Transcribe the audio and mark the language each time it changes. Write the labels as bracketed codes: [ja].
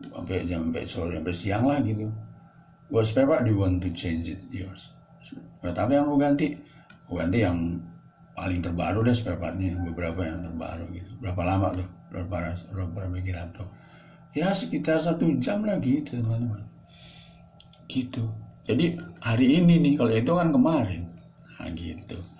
[id] Sampai jam sampai sore, sampai siang lah, gitu. [en] What spare part do you want to change it yours? [id] Berat apa yang mau ganti? Ganti yang paling terbaru deh spare partnya, beberapa yang terbaru gitu. Berapa lama tuh berapa bagi laptop? Ya sekitar 1 jam lah gitu teman-teman. Gitu. Jadi hari ini nih, kalau itu kan kemarin. Nah gitu.